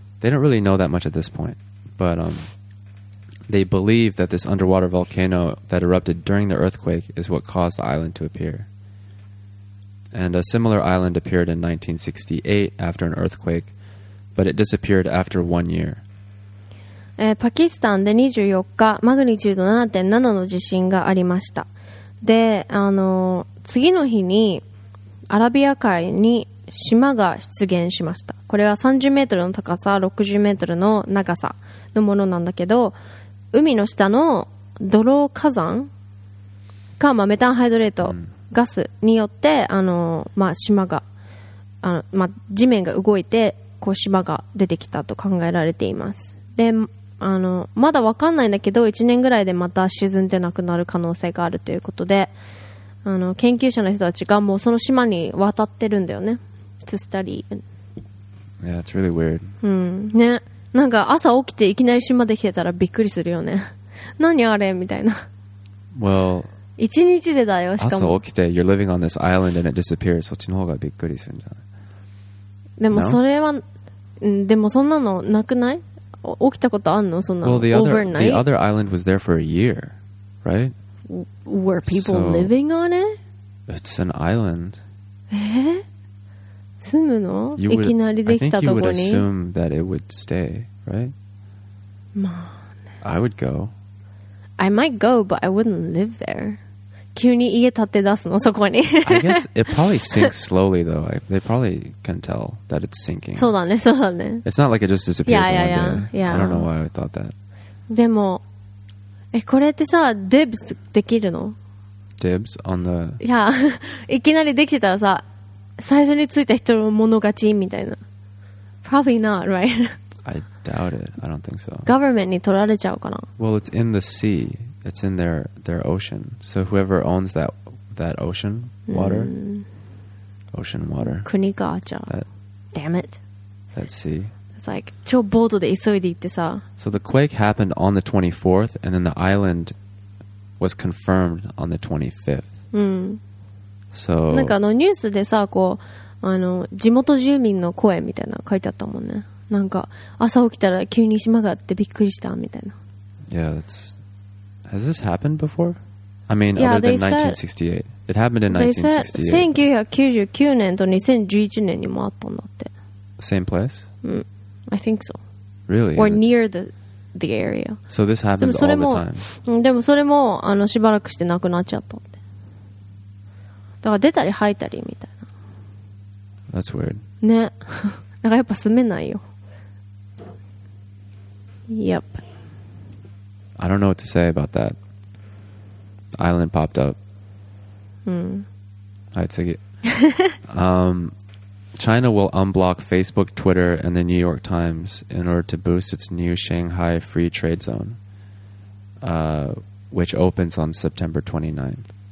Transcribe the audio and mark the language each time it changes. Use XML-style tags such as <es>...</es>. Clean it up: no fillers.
<en>They don't really know that much at this point. But they believe that this underwater volcano that erupted during the earthquake is what caused the island to appear. And a similar island appeared in 1968 after an earthquake, but it disappeared after 1 year.</en> <ja>パキスタンで24日マグニチュード 7.7 の地震がありました。で、次の日にアラビア海に島が出現しました。これは30メートルの高さ、60メートルの長さのものなんだけど、海の下の泥火山か、まあ、メタンハイドレートガスによって、まあ、島が地面が動いてこう島が出てきたと考えられています。でまだ分かんないんだけど、1年ぐらいでまた沈んでなくなる可能性があるということで、研究者の人たちがもうその島に渡ってるんだよね。</ja> <en>To study. Yeah, it's really weird.</en> <ja>ね、なんか朝起きていきなり島できてたらびっくりするよね。何あれみたいな。</ja> <en>Well,</en> <ja>1日でだよ。しかも朝起きて</ja> <en>You're living on this island and it disappears.</en> <ja>そっちの方がびっくりするんじゃない。でもそれは、でもそんなのなくない？起きたことあんの？そんなの。</ja> <en>Well, the other island was there for a year, right? Were people living on it? It's an island.</en> <ja>住むの？いきなりできたところに。</ja> <en>I think you would assume that it would stay, right?</en> <ja>まあね。</ja> <en>I would go. I might go, but I wouldn't live there.</en> <ja>急に家建て出すの？そこに。</ja> <en>I guess it probably sinks slowly, though. They probably can tell that it's sinking.</en> <ja>そうだね、そうだね。</ja> <en>It's not like it just disappears yeah, yeah, in one day. Yeah. I don't know why I thought that.</en> <ja>でも、これってさ、dibs できるの？</ja> <en>Dibs on the...</en> <ja>Yeah. いきなりできてたらさ、最初についた人の物勝ちみたいな。</ja> <en>Probably not, right? I doubt it. I don't think so.</en> <ja>Government に取られちゃうかな？</ja> <en>Well, it's in the sea. It's in their ocean. So whoever owns that ocean water, ocean water.</en> <ja>国か、じゃあ。</ja> <en>Damn it. That sea. It's like</en> <ja>超ボートで急いで行ってさ。</ja> <en>So the quake happened on the 24th and then the island was confirmed on the 25th. うん。 So</en> <ja>なんかあのニュースでさ、こうあの地元住民の声みたいな書いてあったもんね。なんか朝起きたら急に島があってびっくりしたみたいな。</ja> <en>Yeah, that's... Has this happened before? I mean, yeah, other than 1968. It happened in 1968. They said 1999 and 2011. Same place? I think so. Really? Or near the area. So this happened all the time.</en> <ja>でもそれもあのしばらくしてなくなっちゃったって。だから出たり入ったりみたいな。</ja> <en>That's weird. ね。</en> <ja>だからやっぱ住めないよ。</ja> <en>Yep. I don't know what to say about that. The island popped up. I take it. China will unblock Facebook, Twitter, and the New York Times in order to boost its new Shanghai Free Trade Zone, which opens on September 29th.</en>